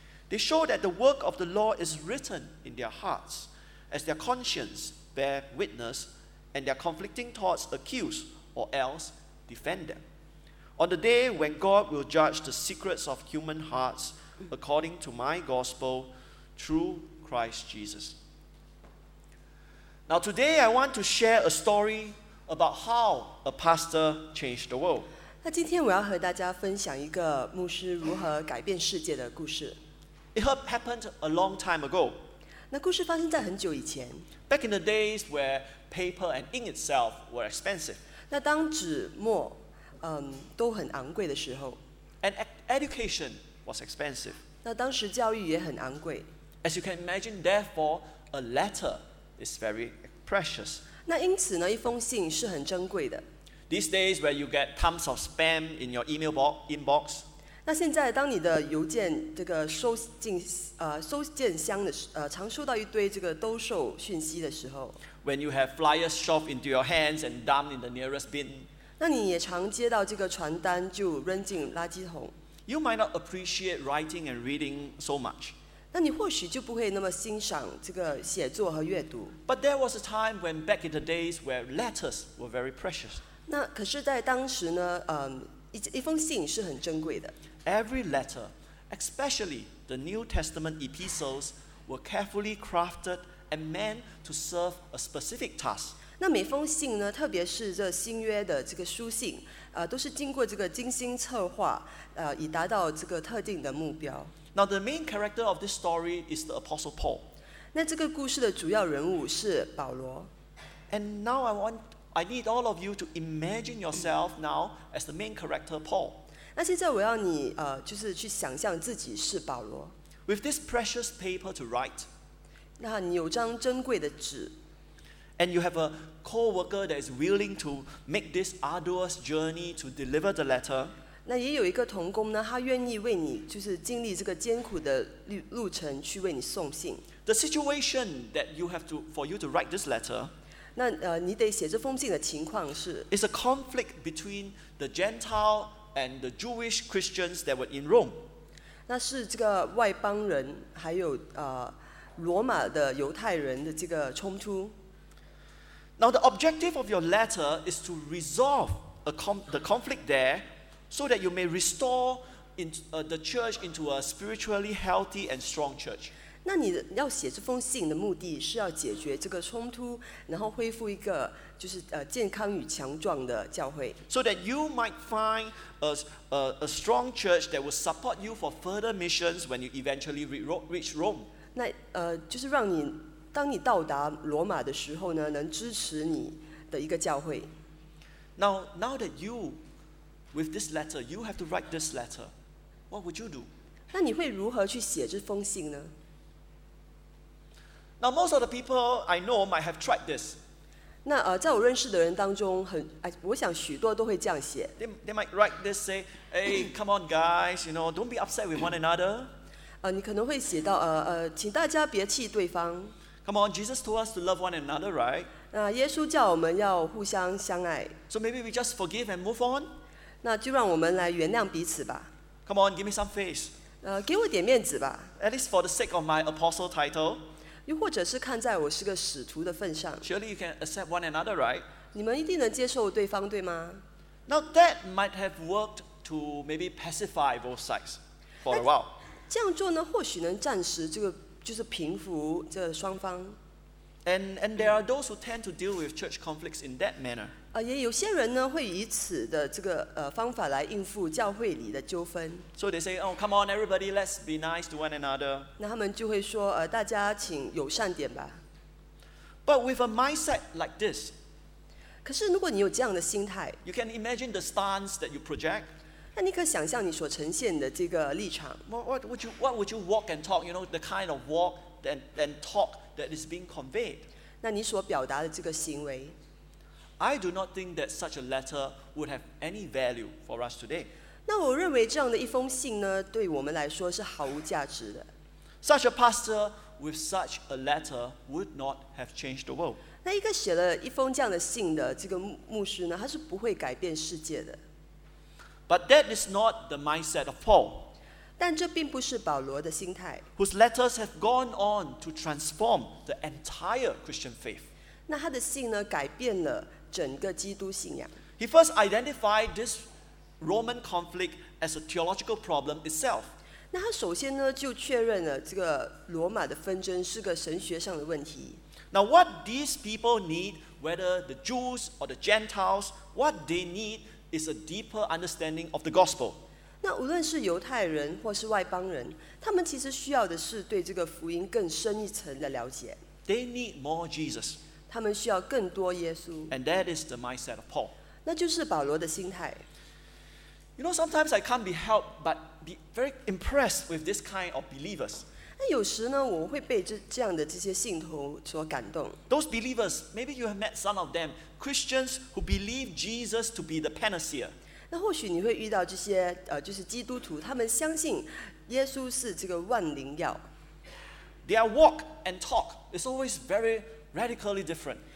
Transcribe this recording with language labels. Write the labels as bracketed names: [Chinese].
[English] They show that the work of the law is written in their hearts, as their conscience bear witness, and their conflicting thoughts accuse or else defend them. On the day when God will judge the secrets of human hearts according to my gospel through Christ Jesus. Now today I want to share a story about how a pastor changed the world. [Chinese] 那今天我要和大家分享一个牧师如何改变世界的故事。 [English] It happened a long time ago. [Chinese] 那故事发生在很久以前。 [English] Back in the days where paper and ink itself were expensive. [Chinese] 那当纸墨都很昂贵的时候。 [English] And education was expensive. [Chinese] 那当时教育也很昂贵。 [English] As you can imagine, therefore, a letter is very precious. [Chinese] 那因此呢，一封信是很珍贵的。 [English] These days where you get tons of spam in your email inbox. [Chinese] 那现在当你的邮件这个收进收件箱的常收到一堆这个兜售讯息的时候。 [English] When you have flyers shoved into your hands and dumped in the nearest bin. [Chinese] 那你也常接到这个传单就扔进垃圾桶。 [English] You might not appreciate writing and reading so much. [Chinese] 那你或许就不会那么欣赏这个写作和阅读。 [English] But there was a time when back in the days where letters were very precious. [Chinese] 那可是在当时呢，一封信是很珍贵的。 [English] Every letter, especially the New Testament epistles, were carefully crafted and meant to serve a specific task. [Chinese] 那每封信呢，特别是这新约的这个书信，都是经过这个精心策划，以达到这个特定的目标。 [English] Now the main character of this story is the Apostle Paul. [Chinese] 那这个故事的主要人物是保罗。 [English] And now I need all of you to imagine yourself now as the main character Paul. [Chinese] 那现在我要你就是去想象自己是保罗。 [English] With this precious paper to write. [Chinese] 那你有张珍贵的纸。 [English] And you have a co-worker that is willing to make this arduous journey to deliver the letter. [Chinese] 那也有一个同工呢，他愿意为你，就是经历这个艰苦的路程去为你送信。 [English] The situation that you have to for you to write this letter. [Chinese] 那你得写这封信的情况是。 [English] It's a conflict between the Gentile and the Jewish Christians that were in Rome. [Chinese] 那是这个外邦人还有罗马的犹太人的这个冲突。 [English] Now the objective of your letter is to resolve the conflict there so that you may restore the church into a spiritually healthy and strong church. [Chinese] 那你要写这封信的目的是要解决这个冲突，然后恢复一个就是健康与强壮的教会。 [English] So that you might find a strong church that will support you for further missions when you eventually reach Rome. [Chinese] 那就是让你当你到达罗马的时候呢，能支持你的一个教会。 [English] Now that you with this letter, you have to write this letter. What would you do? [Chinese] 那你会如何去写这封信呢？ [English] Now most of the people I know might have tried this. [Chinese] 那在我认识的人当中，我想许多都会这样写。 [English] They might write this, say, "Hey, come on, guys, you know, don't be upset with one another." [Chinese] 你可能会写到请大家别气对方。 [English] Come on, Jesus told us to love one another, right? [Chinese] 那耶稣叫我们要互相相爱。 [English] So maybe we just forgive and move on. [Chinese] 那就让我们来原谅彼此吧。 [English] Come on, give me some face. [Chinese] 给我点面子吧。 [English] At least for the sake of my apostle title. [Chinese] 又或者是看在我是个使徒的份上。 [English] Surely you can accept one another, right? [Chinese] 你们一定能接受对方，对吗？ [English] Now that might have worked to maybe pacify both sides for a while. [Chinese] 这样做呢，或许能暂时这个就是平复这双方。 [English] And there are those who tend to deal with church conflicts in that manner. [Chinese] 也有些人呢会以此的这个方法来应付教会里的纠纷。 [English] So they say, "Oh, come on, everybody, let's be nice to one another." [Chinese] 那他们就会说，大家请友善点吧。 [English] But with a mindset like this, [Chinese] 可是如果你有这样的心态 [English] ，you can imagine the stance that you project. [Chinese] 那你可想象你所呈现的这个立场 [English] ？What would you walk and talk? You know the kind of walk and talk. That is being conveyed. [Chinese] 那你所表达的这个行为 [English] ，I do not think that such a letter would have any value for us today. [Chinese] 那我认为这样的一封信呢，对我们来说是毫无价值的。 [English] Such a pastor with such a letter would not have changed the world. [Chinese] 那一个写了一封这样的信的这个牧师呢，他是不会改变世界的。 [English] But that is not the mindset of Paul. [Chinese] 但这并不是保罗的心态。 [English] Whose letters have gone on to transform the entire Christian faith. [Chinese] 那他的信呢，改变了整个基督信仰。 [English] He first identified this Roman conflict as a theological problem itself. [Chinese] 那他首先呢，就确认了这个罗马的纷争是个神学上的问题。 [English] Now what these people need, whether the Jews or the Gentiles, what they need is a deeper understanding of the gospel. [Chinese] 那无论是犹太人或是外邦人，他们其实需要的是对这个福音更深一层的了解。 [English] They need more Jesus. [Chinese] 他们需要更多耶稣。 [English] And that is the mindset of Paul. [Chinese] 那就是保罗的心态。 [English] You know, sometimes I can't be helped but be very impressed with this kind of believers. [Chinese] 那有时呢，我会被这样的这些信徒所感动。 [English] Those believers, maybe you have met some of them, Christians who believe Jesus to be the panacea. [Chinese] 那或许你会遇到这些就是基督徒，他们相信耶稣是这个万灵药。 [English] Their walk and talk is always very radically different.